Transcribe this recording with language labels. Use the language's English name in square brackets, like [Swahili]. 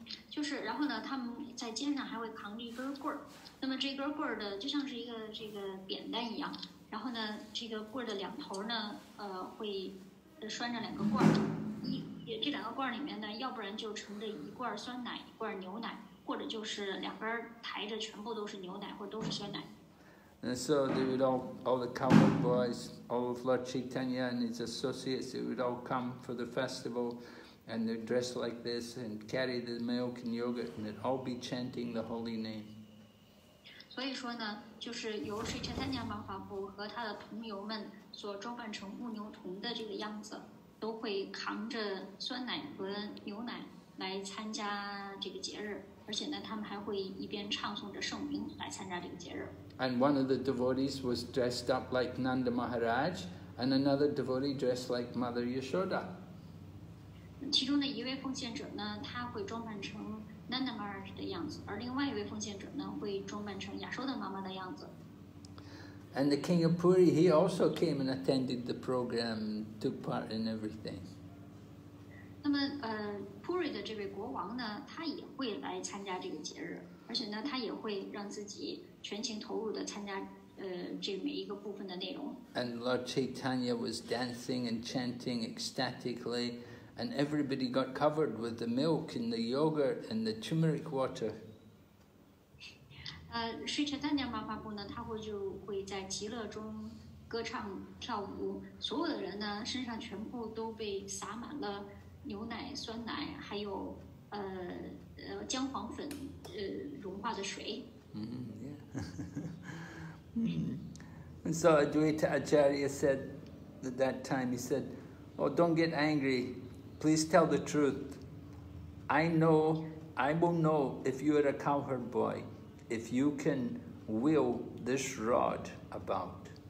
[Chinese] 就是，然后呢，他们在肩上还会扛着一根棍儿。那么这根棍儿的就像是一个这个扁担一样。然后呢，这个棍的两头呢，会拴着两个罐儿，这两个罐里面呢，要不然就盛着一罐酸奶，一罐牛奶，或者就是两边抬着全部都是牛奶或者都是酸奶。 [English] And so they would all the cowherd boys, all of Lord Chaitanya and his associates, they would all come for the festival, and they'd dress like this and carry the milk and yogurt, and they'd all be chanting the holy name. [Chinese] 所以说呢，就是由水车三娘马法布和他的同游们所装扮成牧牛童的这个样子，都会扛着酸奶和牛奶来参加这个节日，而且呢，他们还会一边唱诵着圣名来参加这个节日。 [English] And one of the devotees was dressed up like Nanda Maharaj, and another devotee dressed like Mother Yashoda. [Chinese] 其中的一位奉献者呢，他会装扮成。 Nanda Maharaj 的样子，而另外一位奉献者呢，会装扮成亚修的妈妈的样子。 [English] And the king of Puri, he also came and attended the program, took part in everything. [Chinese] 那么，Puri 的这位国王呢，他也会来参加这个节日，而且呢，他也会让自己全情投入的参加，这每一个部分的内容。 [English] And Lord Chaitanya was dancing and chanting ecstatically. And everybody got covered with the milk and the yogurt and the turmeric water. [Chinese] Sri Chaitanya Mahaprabhu 呢，他会就会在极乐中歌唱跳舞。所有的人呢，身上全部都被撒满了牛奶、酸奶，还有姜黄粉融化的水。 [English] And so Advaita Acharya said at that time, he said, "Oh, don't get angry." Please tell the truth. I will know if you are a cowherd boy, if you can wheel this rod about.